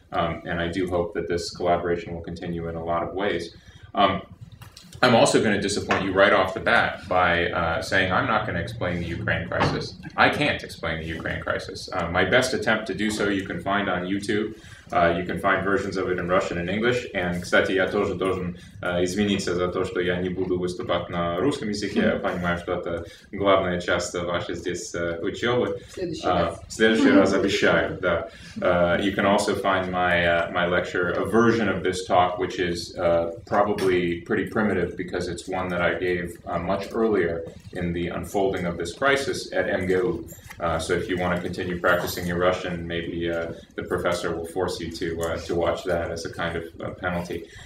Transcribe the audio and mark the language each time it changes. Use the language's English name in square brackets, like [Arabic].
[English] And I do hope that this collaboration will continue in a lot of ways. I'm also going to disappoint you right off the bat by saying I'm not going to explain the Ukraine crisis. I can't explain the Ukraine crisis. My best attempt to do so you can find on YouTube. You can find versions of it in Russian and English. [Russian] And, кстати, я тоже должен извиниться за то, что я не буду выступать на русском языке. Я понимаю, что это главная часть вашей здесь учебы. В следующий раз обещаю, да. [English] You can also find my lecture, a version of this talk, which is probably pretty primitive because it's one that I gave much earlier in the unfolding of this crisis at MGU. So if you want to continue practicing your Russian, maybe the professor will force you to watch that as a kind of penalty.